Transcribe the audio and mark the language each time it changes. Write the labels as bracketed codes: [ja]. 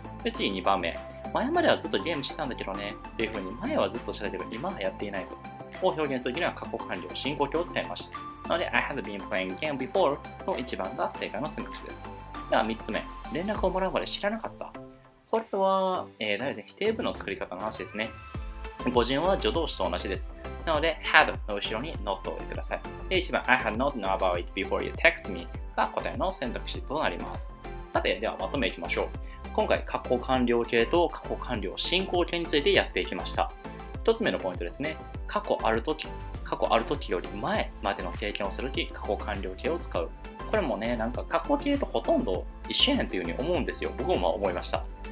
[ja] で、次2番目、前まではずっとゲームしてたんだけどねっていう風に、前はずっとしてたけど今はやっていないことを表現するときには過去完了進行形を使いました。なので [en] I have been playing game before [ja] の1番が正解の選択肢です。では3つ目、連絡をもらうまで知らなかった。これは、否定文の作り方の話ですね。語順は助動詞と同じです。なので had の後ろに not を入れてください。で、1番 [en] I had not know about it before you text me [ja] が答えの選択肢となります。さて、ではまとめいきましょう。今回、過去完了形と過去完了進行形についてやっていきました。一つ目のポイントですね。過去ある時より前までの経験をするとき、過去完了形を使う。これもね、なんか過去形とほとんど一緒やんというふうに思うんですよ。僕も思いました。